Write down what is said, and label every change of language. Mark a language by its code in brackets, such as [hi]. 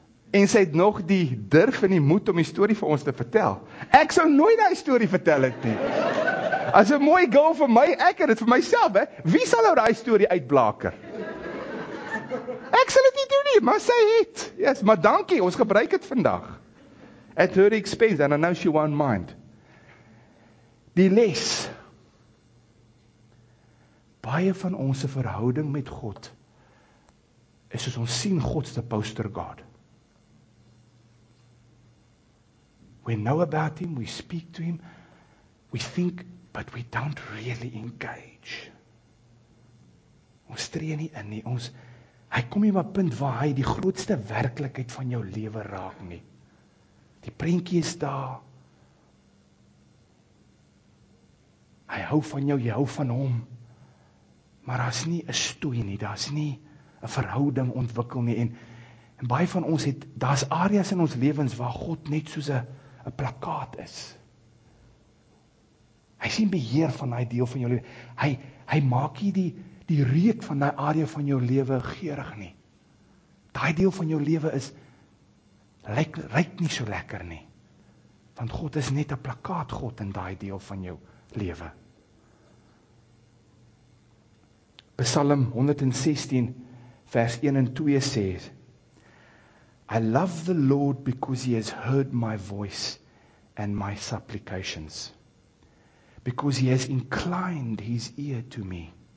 [af] En sy het nog die durf en die moed om die storie vir ons te vertel. Ek sou nooit daai storie vertel het nie. As 'n mooi girl vir my, ek het dit vir myself, hè. Wie sal nou daai storie uitblaker? Ek sal dit nie doen nie, maar sy het. Yes, maar dankie, ons gebruik dit vandag. [en] At her expense, and I know she won't mind. [af] Die les. Baie van ons verhouding met God is soos ons sien God se poster God. [en] We know about him, we speak to him, we think, but we don't really engage. [af] Ons tree nie in nie, ons, hy kom nie by 'n punt waar hy die grootste werklikheid van jou lewe raak nie. Die prentjie is daar. Hy hou van jou, jy hou van hom. Maar daar's nie 'n stoei nie, daar's nie 'n verhouding ontwikkel nie. En baie van ons het, daar's areas in ons lewens waar God net soos 'n plakkaat is. Hy sien beheer van daai deel van jou lewe. Hy maak nie die reuk van daai area van jou lewe geurig nie. Daai deel van jou lewe is ryk nie so lekker nie. Want God is net 'n plakkaat God in daai deel van jou lewe. Psalm 116 vers 1 en 2 sê: [en] I love the Lord because he has heard my voice and my supplications. Because he has inclined his ear to me.